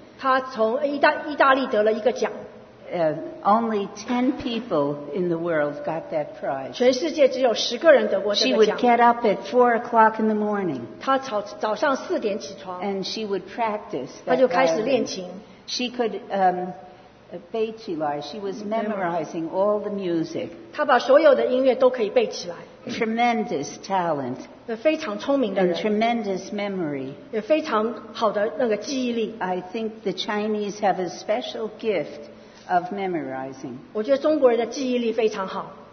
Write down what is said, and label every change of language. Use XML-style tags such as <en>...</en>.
<zh>她从意大利得了一个奖。</zh> <en>Only 10 people in the world got that prize.</en> <zh>全世界只有十个人得过这个奖。</zh> <en>She would get up at 4 o'clock in the morning.</en> <zh>她早上四点起床。</zh> <en>And she would practice.</en> <zh>她就开始练琴。</zh> <en>She could</en> <zh>背起来</zh> <en>she was memorizing all the music</en> <zh>她把所有的音乐都可以背起来</zh> <en>tremendous talent</en> <zh>非常聪明的人</zh> <en>and tremendous memory</en> <zh>也非常好的那个记忆力</zh> <en>I think the Chinese have a special gift of memorizing</en> <zh>我觉得中国人的记忆力非常好</zh>